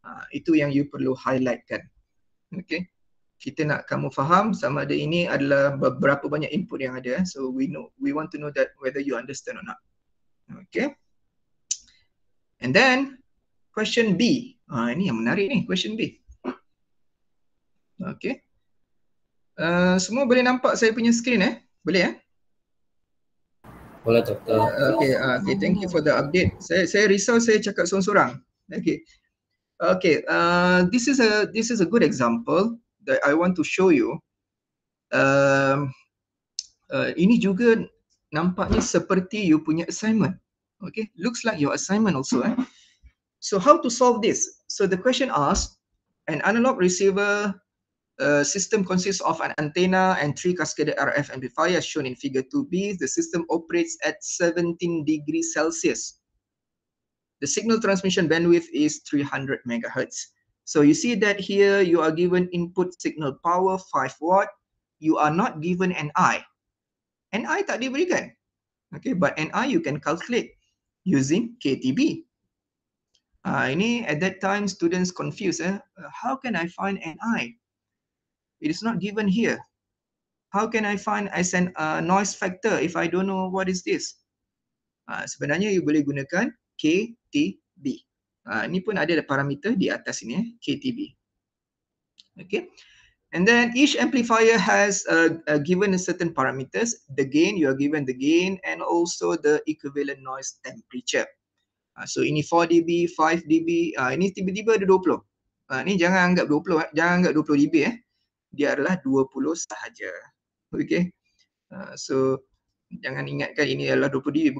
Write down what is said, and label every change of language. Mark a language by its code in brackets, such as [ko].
[ms] Itu yang you perlu highlightkan. Okay. Kita nak kamu faham sama ada ini adalah berapa banyak input yang ada. [en] So we want to know that whether you understand or not. Okay. And then question B. [ms] Ini yang menarik ni, [en] question B. [ms] Okay. Semua boleh nampak saya punya screen eh? Boleh eh? Boleh doktor. [en] Okay, thank you for the update. [ms] Saya risau saya cakap sorang-sorang. [en] Okay. Okay, this is a good example that I want to show you. [ms] Ini juga nampaknya seperti you punya assignment. [en] Okay, looks like your assignment also. So how to solve this? So the question asks, an analog receiver system consists of an antenna and three cascaded RF amplifiers shown in figure 2B. The system operates at 17 degrees Celsius. The signal transmission bandwidth is 300 megahertz. So you see that here you are given input signal power 5 watt. You are not given an I. An I [ms] tak diberikan. [en] Okay, but an I you can calculate using KTB. Ini at that time students confused. How can I find NI? It is not given here. How can I find SN noise factor if I don't know what is this? [ms] Sebenarnya you boleh gunakan KTB. Ini pun ada parameter di atas ini, KTB. Okay. [en] And then each amplifier has given a certain parameters. The gain, you are given the gain and also the equivalent noise temperature. [ms] So ini 4 dB, 5 dB, ini tiba-tiba ada 20. Ini jangan anggap 20, jangan anggap 20 dB. Dia adalah 20 sahaja. Okay. So jangan ingatkan ini adalah 20 dB.